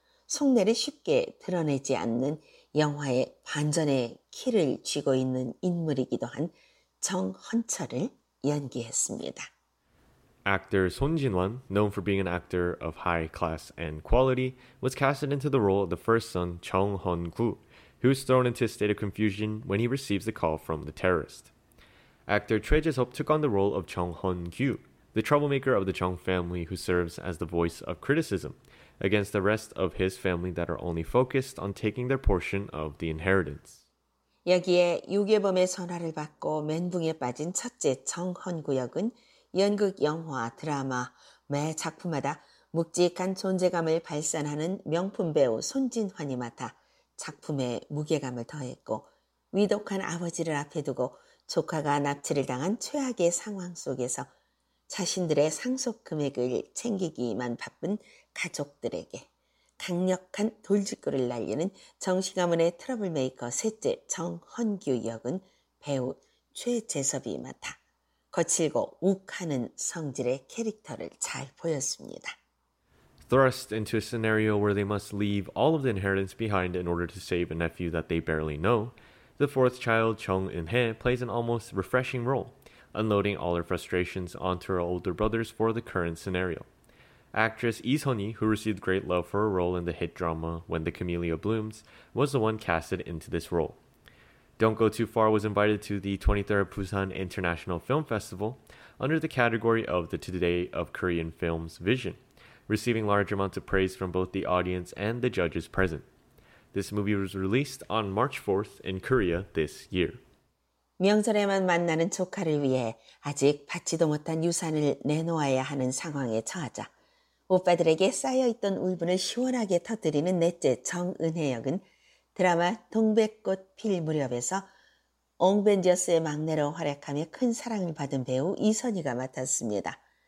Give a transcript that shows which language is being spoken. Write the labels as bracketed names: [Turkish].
[Korean] 속내를 쉽게 드러내지 않는 영화의 반전의 키를 쥐고 있는 인물이기도 한 정헌철을 연기했습니다. [English] Actor Son Jin-won, known for being an actor of high class and quality, was casted into the role of the first son, Chung Hun-gu, who is thrown into a state of confusion when he receives a call from the terrorist. Actor Choi Jae-sup took on the role of Chung Hun-gyu, the troublemaker of the Chung family who serves as the voice of criticism against the rest of his family that are only focused on taking their portion of the inheritance. [Korean] 여기에 유괴범의 전화를 받고 멘붕에 빠진 첫째 Chung Hun-gu 역은 연극, 영화, 드라마, 매 작품마다 묵직한 존재감을 발산하는 명품 배우 손진환이 맡아 작품에 무게감을 더했고 위독한 아버지를 앞에 두고 조카가 납치를 당한 최악의 상황 속에서 자신들의 상속 금액을 챙기기만 바쁜 가족들에게 강력한 돌직구를 날리는 정신가문의 트러블메이커 셋째 정헌규 역은 배우 최재섭이 맡아 거칠고 욱하는 성질의 캐릭터를 잘 보였습니다. [English] thrust into a scenario where they must leave all of the inheritance behind in order to save a nephew that they barely know, the fourth child, Chung Eun-hye, plays an almost refreshing role, unloading all her frustrations onto her older brothers for the current scenario. Actress Lee Sun-hee, who received great love for her role in the hit drama When the Camellia Blooms, was the one casted into this role. Don't Go Too Far was invited to the 23rd Busan International Film Festival under the category of the Today of Korean Film's Vision, receiving large amounts of praise from both the audience and the judges present. This movie was released on March 4th in Korea this year. [Korean] 명절에만 만나는 조카를 위해 아직 받지도 못한 유산을 내놓아야 하는 상황에 처하자 오빠들에게 쌓여있던 울분을 시원하게 터뜨리는 넷째 정은혜 역은 드라마 동백꽃 필 무렵에서 옹벤져스의 막내로 활약하며 큰 사랑을 받은 배우 이선희가 맡았습니다.